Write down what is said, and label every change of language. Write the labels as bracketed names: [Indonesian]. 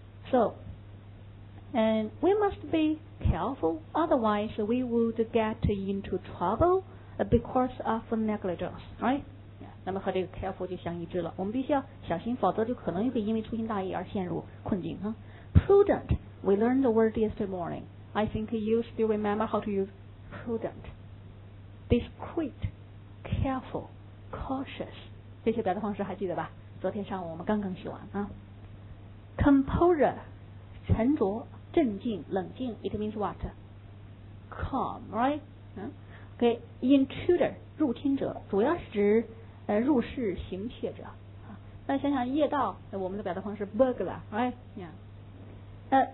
[English] So， and we must be careful， otherwise we would get into trouble because of negligence， right？ [Chinese] 那么和这个 careful 就相一致了，我们必须要小心，否则就可能会因为粗心大意而陷入困境哈。 [English] Prudent， we learned the word yesterday morning. I think you still remember how to use prudent, discreet, careful, cautious [Chinese] 这些表达方式还记得吧？昨天上午我们刚刚学完啊。 [English] Composure， [Chinese] 沉着、镇静、冷静。 [English] It means what? Calm, right? Okay. [Chinese] Intruder， 入侵者，主要是指入室行窃者。那想想夜盗，我们的表达方式 burglar， right？ Yeah。